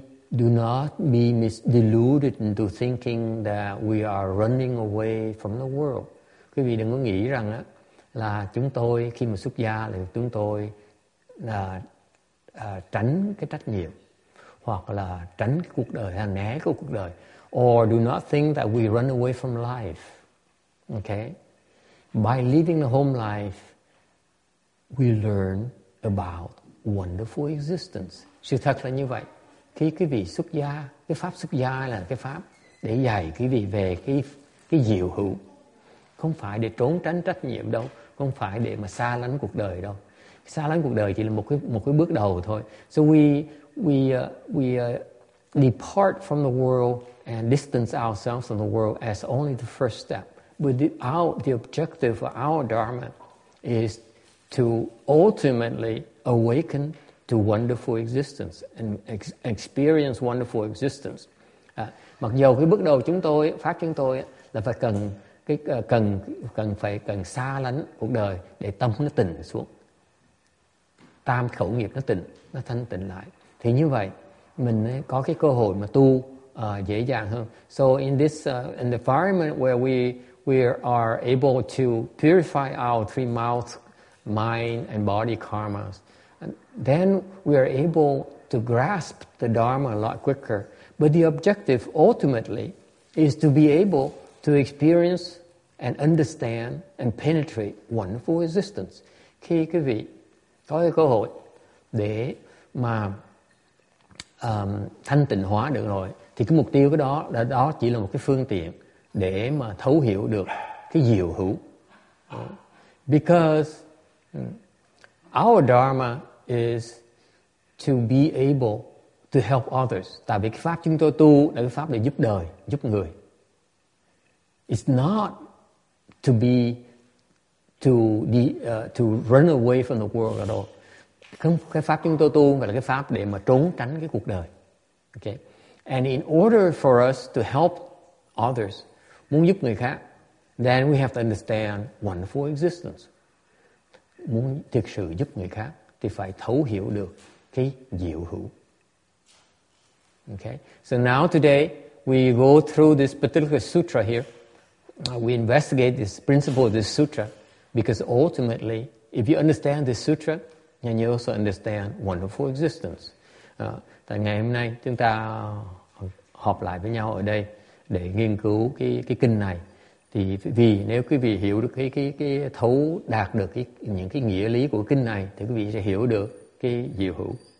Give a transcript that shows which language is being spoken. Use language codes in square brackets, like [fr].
[en] Do not be misdeluded into thinking that we are running away from the world. [vi] Quý vị đừng có nghĩ rằng á là chúng tôi khi mà xuất gia là chúng tôi là tránh cái trách nhiệm hoặc là tránh cái cuộc đời hay né cái cuộc đời. [en] Or do not think that we run away from life. Okay? By living the home life, we learn about wonderful existence. [vi] Sự thật là như vậy. Khi quý vị xuất gia, cái pháp xuất gia là cái pháp để dạy quý vị về cái diệu hữu. Không phải để trốn tránh trách nhiệm đâu. Không phải để mà xa lánh cuộc đời đâu. Xa lánh cuộc đời chỉ là một cái bước đầu thôi. [en] So we depart from the world and distance ourselves from the world as only the first step. But the objective of our Dharma is to ultimately awaken to wonderful existence and experience wonderful existence. [vi] Mặc dù cái bước đầu chúng tôi, pháp chúng tôi là phải cần xa lánh cuộc đời để tâm nó tịnh xuống. Tam khẩu nghiệp nó tịnh, nó thanh tịnh lại. Thì như vậy, mình có cái cơ hội mà tu dễ dàng hơn. [en] So in this environment where we are able to purify our three mouth, mind and body karmas, then we are able to grasp the Dharma a lot quicker. But the objective ultimately is to be able to experience and understand and penetrate wonderful existence. [vi] Khi quý vị có cái cơ hội để mà thanh tịnh hóa được rồi, thì cái mục tiêu của đó chỉ là một cái phương tiện để mà thấu hiểu được cái diệu hữu. [en] Because our Dharma is to be able to help others. [vi] Tại vì cái pháp chúng tôi tu là cái pháp để giúp đời, giúp người. [en] It's not to be to run away from the world at all. [vi] Cái pháp chúng tôi tu phải là cái pháp để mà trốn tránh cái cuộc đời. Okay. [en] And in order for us to help others, [vi] muốn giúp người khác, [en] then we have to understand wonderful existence. [vi] Muốn thực sự giúp người khác thì phải thấu hiểu được cái diệu hữu. [en] Okay. So now today we go through this particular sutra here. We investigate this principle of this sutra, because ultimately if you understand this sutra, then you also understand wonderful existence. [vi] Tại ngày hôm nay chúng ta họp lại với nhau ở đây để nghiên cứu cái kinh này. Thì vì nếu quý vị hiểu được cái thấu đạt được những cái nghĩa lý của kinh này, thì quý vị sẽ hiểu được cái diệu hữu.